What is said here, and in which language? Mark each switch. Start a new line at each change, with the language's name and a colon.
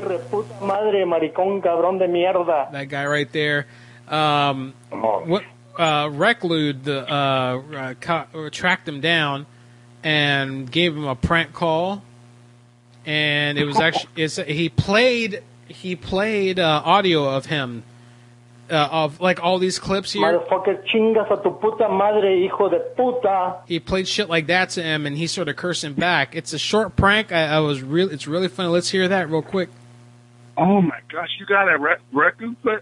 English: That guy right there. What? Reclude tracked him down and gave him a prank call, and it was he played audio of him of like all these clips here. Motherfucker,
Spanish: chingas a tu puta madre, hijo de puta.
English: He played shit like that to him, and he started cursing back. It's a short prank. I was really, it's really funny. Let's hear that real quick. Oh my gosh, you got a record play?